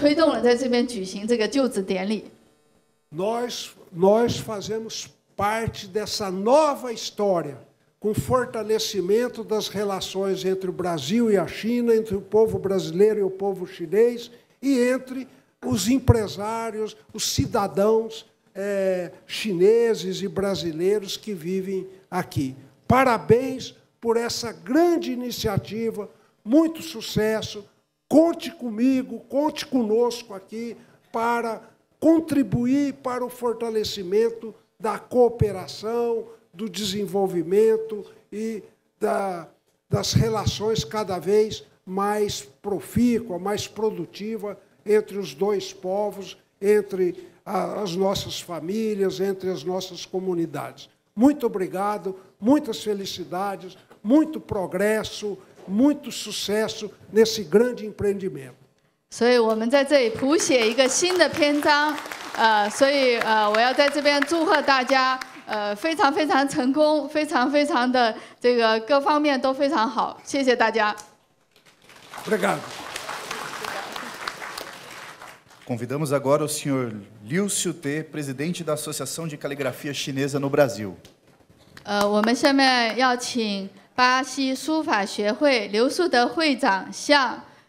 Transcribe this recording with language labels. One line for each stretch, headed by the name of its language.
Chinese: 那么我作为这个巴西共产党在圣保罗市的议员，那我感到非常荣幸。那么在这个叶会长马哈迈先生的这个倡议下，那我在这边我推动了在这边举行这个就职典礼。
Portuguese: Nós fazemos parte dessa nova história com fortalecimento das relações entre o Brasil e a China, entre o povo brasileiro e o povo chinês, e entre os empresários, os cidadãos chineses e brasileiros que vivem aqui. Parabéns por essa grande iniciativa, muito sucesso. Conte comigo, conte conosco aqui para contribuir para o fortalecimento da cooperação, do desenvolvimento e das relações cada vez mais profícua, mais produtiva entre os dois povos, entre as nossas famílias, entre as nossas comunidades. Muito obrigado, muitas felicidades, muito progresso, muito sucesso nesse grande empreendimento.
Chinese: 所以我们在这里谱写一个新的篇章，所以我要在这边祝贺大家。非常非常成功，非常非常的这个各方面都非常好，谢谢大家。
Portuguese: Obrigado. Convidamos agora o senhor Liu Xiute, presidente da Associação de Caligrafia Chinesa no Brasil.
Chinese: 我们下面要请巴西书法学会刘树德会长向